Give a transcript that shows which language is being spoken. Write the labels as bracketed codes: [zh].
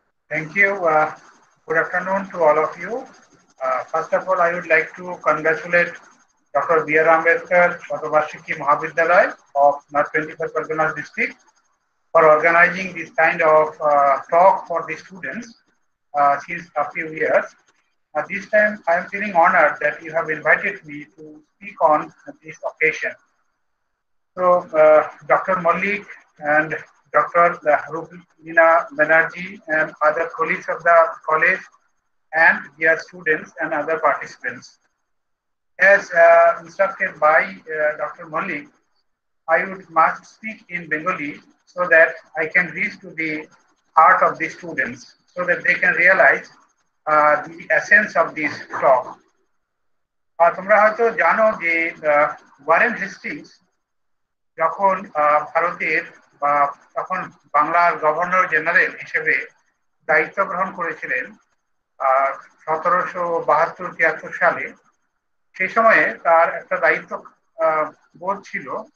[en] Thank you. Good afternoon to all of you. First of all I would like to congratulate doctor BR Ambedkar Satabarshiki Mahavidyalaya of north 25 Pargana district for organising this kind of talk for the students since a few years. This time I am feeling honored that you have invited me to speak on this occasion. So Dr. Mallik and Dr. Rubina Banerjee and other colleagues of the college and their students and other participants. As instructed by Dr. Mallik, I would must speak in Bengali so that I can reach to the heart of the students, so that they can realize the essence of this talk. [bn] তোমরা হয়তো জানো যে Warren Hastings যখন ভারতের বা তখন বাংলার governor general হিসেবে দায়িত্ব গ্রহণ করেছিলেন 1772-73 সালে, সেই সময়ে তার একটা দায়িত্ব বোধ ছিল।